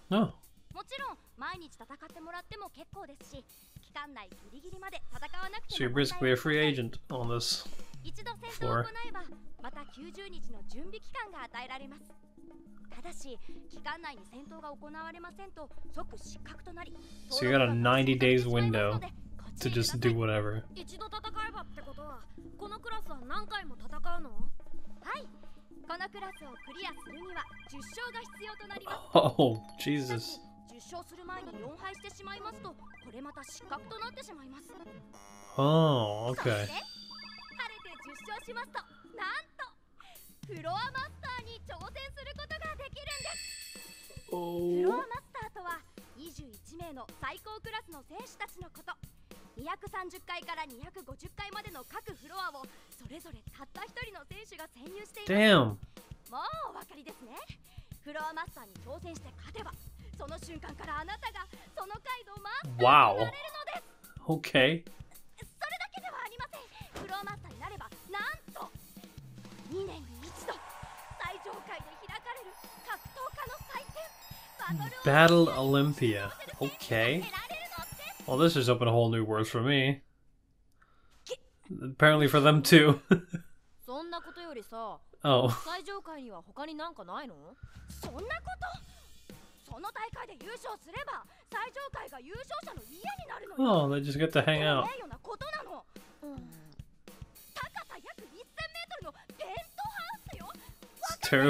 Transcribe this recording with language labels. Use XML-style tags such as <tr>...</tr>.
<ja>もちろん、毎日戦ってもらっても結構ですし、期間内ギリギリまで戦わなくても問題ないです。</ja> <en>She risks being a free agent on this floor.</en> <ja>一度戦闘を行えば、また90日の準備期間が与えられます。ただし期間内に戦闘が行われませんと即失格となり、</ja> <en>So you got a 90 days window to just do whatever.</en> <ja>一度戦えばってことは、このクラスは何回も戦うの？はい、このクラスをクリアするには10勝が必要となります</ja> <en>。 Oh, Jesus.</en> <ja>10勝する前に4敗してしまいますと、これまた失格となってしまいます。</ja> <en>Oh, okay.</en> <ja>そして晴れて10勝しますと、なんとフロアマスターに挑戦することができるんです。フロアマスターとは21名の最高クラスの選手たちのこと。 230階から250階までの各フロアをそれぞれたった一人の選手が占有しています。</ja> <en>Damn.</en> <ja>もうお分かりですね。フロアマスターに挑戦して勝てば、その瞬間からあなたがその階のマスターになれるのです。それだけではありません。フロアマスターになれば、なんと2年に一度最上階で開かれる格闘家の祭典</ja> <en>Battle Olympia. Okay. Well, this just opened a whole new world for me. Apparently for them too.</en> <ja>そんなことよりさ、最上階には他になんかないの？そんなこと、その大会で優勝すれば、最上階が優勝者の家になるの。</ja> <en>Oh, they just get to hang out.</en> <ja>ええようなことなの。高さ約1000メートルのペントハウスよ。</ja>